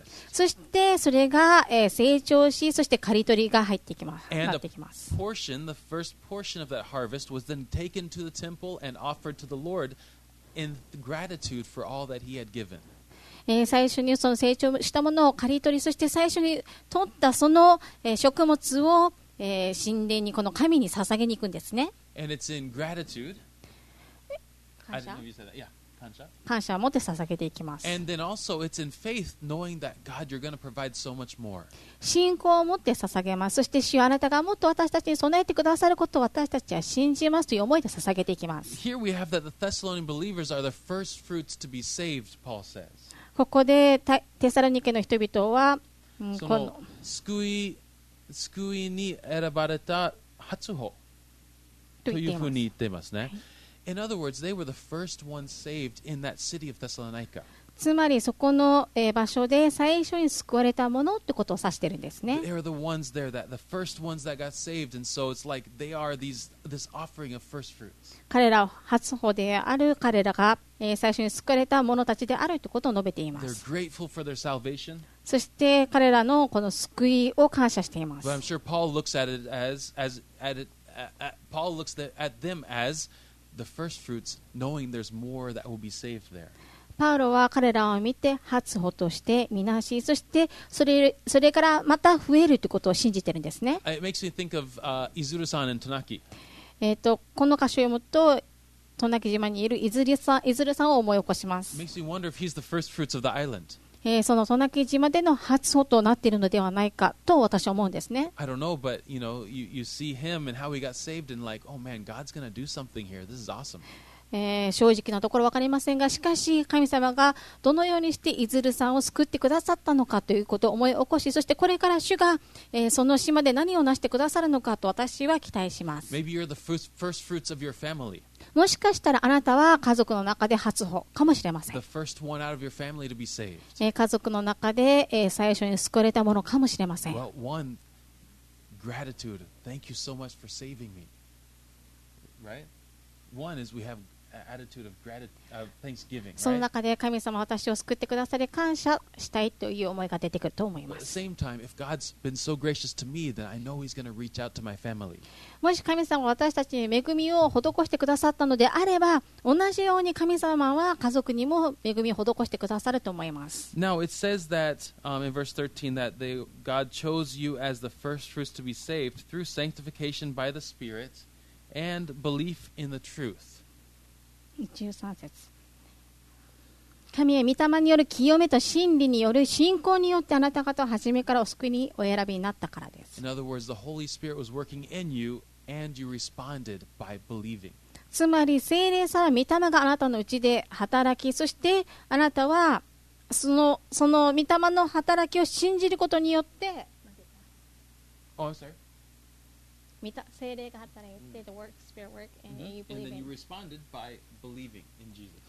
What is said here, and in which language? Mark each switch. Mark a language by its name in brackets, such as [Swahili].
[Japanese] そしてそれが成長し、そして刈り取りが入ってきます。 [English] And、 [Japanese] なってきます。 [English] Portion, the first portion of that harvest was then taken to the temple and offered to the Lord in gratitude for all that he had given. [Japanese] 最初にその成長したものを刈り取り、そして最初に取ったその食物を神殿にこの神に捧げに行くんですね。 [English] And it's in gratitude. [Japanese] 感謝を持って捧げていきます。 [English] And then also it's in faith, knowing that God, you're going to provide so much more. [Japanese] 信仰を持って捧げます。そして主はあなたがもっと私たちに備えてくださることを私たちは信じますという思いで捧げていきます。 [English] Here we have that the Thessalonian believers are the first fruits to be saved, Paul says. [Japanese] ここでテサロニケの人々は、この救いに選ばれた初穂というふうに言っていますね。 [English] In other words, they were the first ones saved in that city of Thessalonica. [Japanese] つまりそこの場所で最初に救われたものってことを指してるんですね。 [English] They are the ones there that the first ones that got saved, and so it's like they are these this offering of first fruits. [Japanese] 彼らは初穂である彼らが最初に救われた者たちであるということを述べています。 [English] They're grateful for their salvation. [Japanese] そして彼らのこの救いを感謝しています。 [English] But I'm sure Paul looks at it Paul looks at them as the first fruits, knowing there's more that will be saved there. [Japanese] パウロは彼らを見て初穂としてみなし、そしてそれからまた増えるということを信じてるんですね。 [English] It makes me think of Izuru-san and Tonaki. [Japanese] この箇所を読むと、トナキ島にいるイズルさんを思い起こします。 [English] Makes me wonder if he's the first fruits of the island. [Japanese] そのトナキ島での初穂となっているのではないかと私は思うんですね。 [English] I don't know, but you know, you see him and how he got saved and like, oh man, God's gonna do something here. This is awesome. [Japanese] 正直なところ分かりませんが、しかし神様がどのようにしてイズルさんを救ってくださったのかということを思い起こし、そしてこれから主が、その島で何を成してくださるのかと私は期待します。 [English] Maybe you're the first fruits of your family. [Japanese] もしかしたらあなたは家族の中で初穂かもしれません。 [English] The first one out of your family to be saved. [Japanese] 家族の中で、最初に救われたものかもしれません。 [English] Well, one, gratitude. Thank you so much for saving me. Right? One is we have attitude of gratitude, of thanksgiving, right? [Japanese] その中で神様は私を救ってくださり感謝したいという思いが出てくると思います。 [English] But at the same time, if God's been so gracious to me, then I know He's going to reach out to my family. [Japanese] もし神様は私たちに恵みを施してくださったのであれば、同じように神様は家族にも恵みを施してくださると思います。 [English] Now it says that in verse 13 that God chose you as the first fruits to be saved through sanctification by the Spirit. And belief in the truth. [Japanese] 13節。神は御霊による清めと真理による信仰によってあなた方を初めからお救いにお選びになったからです。 [English] In other words, the Holy Spirit was working in you, and you responded by believing. [Japanese] つまり聖霊様は御霊があなたのうちで働き、そしてあなたはその御霊の働きを信じることによって。 [English] Oh, sorry. [Japanese] 聖霊が働いて、 [English] the work, spirit work, and you believe. And then you responded by believing in Jesus.